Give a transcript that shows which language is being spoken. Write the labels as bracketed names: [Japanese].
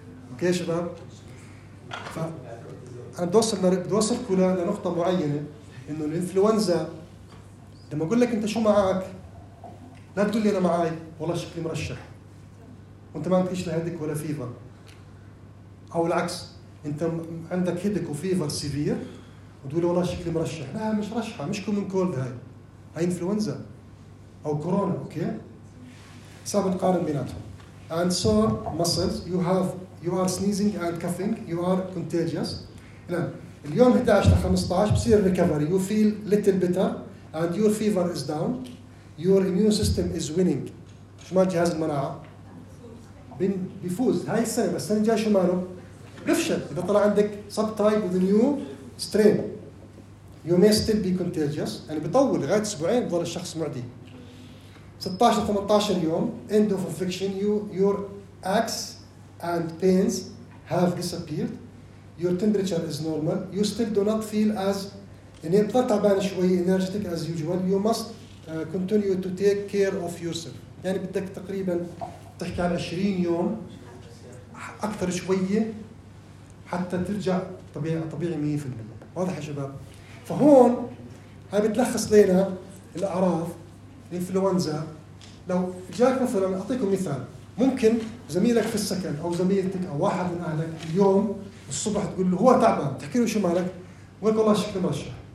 [Arabic] اوكي يا شباب انا بدوصل كلها لنقطة معينة انه الانفلونزا لما اقول لك انت شو معك لا تقول لي انا معي والله شكلي مرشح وانت ما عندك لا هيدك ولا فيفر او العكس انت عندك هيدك وفيفر سيفير وتقول والله شكلي مرشح. لا مش رشحه مش كومن كولد هاي انفلونزا او كورونا. اوكي حساب القارن بيناتهم [English] and sore muscles you have you are sneezing and coughing you are contagious. [Arabic] اليوم 11 لـ15 بصير ريكفري [English] you feel little better and your fever is down your immune system is winning. [Arabic] شو مال جهاز المناعه بيفوز هاي السنة بس السنة الجاية شو ماله؟ بيفشل إذا طلع عندك [English] sub type with new strain you may still be contagious. [Arabic] يعني بيطول لغاية 2 أسبوع بظل الشخص معدي. [English] 16-18 يوم end of infection your aches and pains have disappeared your temperature is normal you still do not feel as [Arabic] يعني بظل تعبان شوي [English] energetic as usual you must continue to take care of yourself. [Arabic] يعني بدك تقريبا تحكي عن 20 يوم أكثر شوية حتى ترجع طبيعي 100%. واضح يا شباب؟ فهون هاي بتلخص لنا الأعراض الإنفلونزا. لو جاك مثلا أعطيكم مثال ممكن زميلك في السكن أو زميلتك أو واحد من أهلك اليوم الصبح تقول له هو تعبان تحكي له شو مالك ويقول الله شكلي مرشح.